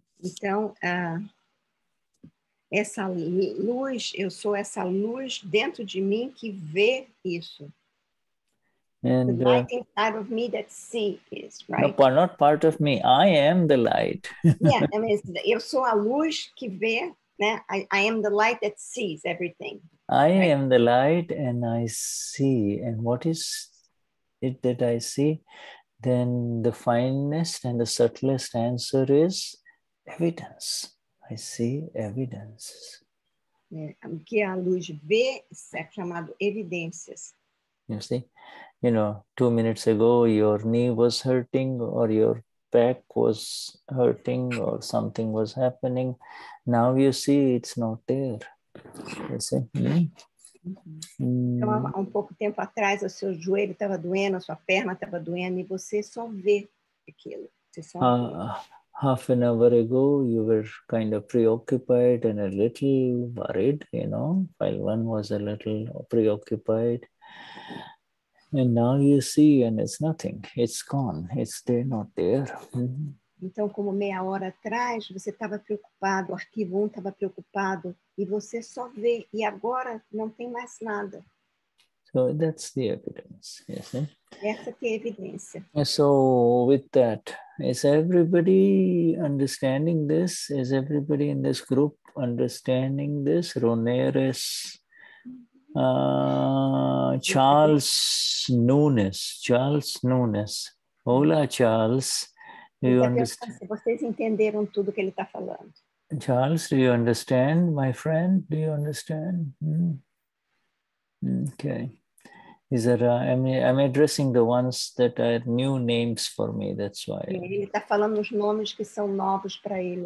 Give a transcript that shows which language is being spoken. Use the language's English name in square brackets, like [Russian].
[Portuguese] Então, essa luz, eu sou essa luz dentro de mim que vê isso. [English] And, the light inside of me that see is, right? No, not part of me. I am the light. Yeah, I mean, [Portuguese] eu sou a luz que vê, né? [English] I am the light that sees everything. I am the light and I see. And what is it that I see? Then the finest and the subtlest answer is evidence. I see evidence. [Portuguese] O que a luz vê é chamado evidências. [English] You see? You know, 2 minutes ago, your knee was hurting or your back was hurting or something was happening. Now you see it's not there. You see? Mm-hmm. [Portuguese] Então, um pouco tempo atrás, o seu joelho estava doendo, a sua perna estava doendo, e você só vê aquilo. Você só vê. [English] Half an hour ago, you were kind of preoccupied and a little worried, you know, while one was a little preoccupied. And now you see, and it's nothing. It's gone. It's there, not there. Mm-hmm. [Portuguese] Então, como meia hora atrás, você estava preocupado, o arquivo 1 estava preocupado, e você só vê, e agora não tem mais nada. [English] So that's the evidence, you see? [Portuguese] Essa que é a evidência. [English] So with that, is everybody understanding this? Is everybody in this group understanding this? Roneres, Charles Nunes. Charles Nunes. Olá, Charles. Do you understand? [Portuguese] Vocês entenderam tudo que ele está falando. [English] Charles, do you understand, my friend? Do you understand? Okay. Is there? I'm addressing the ones that are new names for me. That's why. [Portuguese] Ele está falando os nomes que são novos para ele.